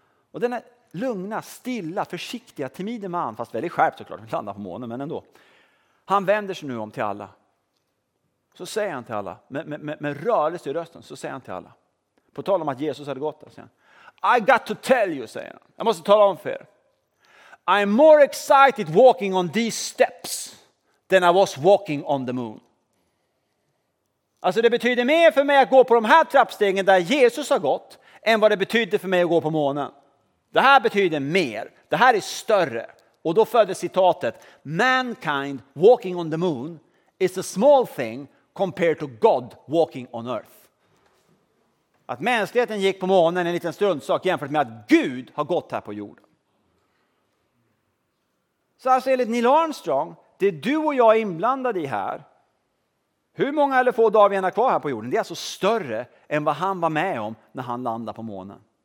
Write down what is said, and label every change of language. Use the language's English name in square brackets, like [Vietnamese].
[Swedish] Och den här lugna, stilla, försiktiga, timide man, fast väldigt skärpt såklart, landar på månen, men ändå. Han vänder sig nu om till alla. Så säger han till alla. Med rörelse i rösten, så säger han till alla. På tal om att Jesus hade gått där, säger han. [English] I got to tell you, [Swedish] säger han. Jag måste tala om för er. [English] I'm more excited walking on these steps than I was walking on the moon. [Swedish] Alltså, det betyder mer för mig att gå på de här trappstegen där Jesus har gått än vad det betyder för mig att gå på månen. Det här betyder mer. Det här är större. Och då föddes citatet. [English] Mankind walking on the moon is a small thing compared to God walking on earth. [Swedish] Att mänskligheten gick på månen är en liten struntsak jämfört med att Gud har gått här på jorden. Så alltså enligt Neil Armstrong, det du och jag är inblandade i här. Hur många eller få dagar vi än har kvar här på jorden, det är alltså större än vad han var med om när han landade på månen.